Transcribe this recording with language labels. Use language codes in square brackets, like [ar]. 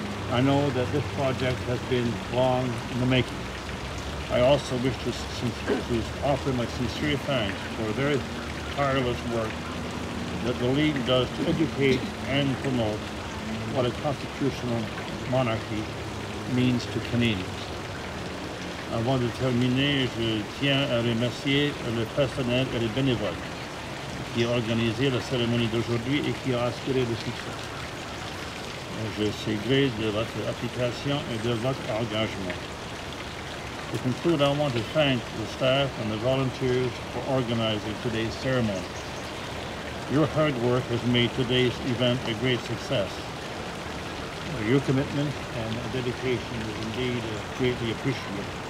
[en] I know that this project has been long in the making. I also wish to offer my sincere thanks for their tireless work that the League does to educate and promote what a constitutional monarchy means to Canadians. I want to [fr] terminer, je tiens à remercier le personnel et les bénévoles qui ont organisé la cérémonie d'aujourd'hui et qui ont assuré le succès. Je suis gré de votre application et de votre engagement. [en] To conclude, I want to thank the staff and the volunteers for organizing today's ceremony. Your hard work has made today's event a great success. Your commitment and dedication is indeed greatly appreciated.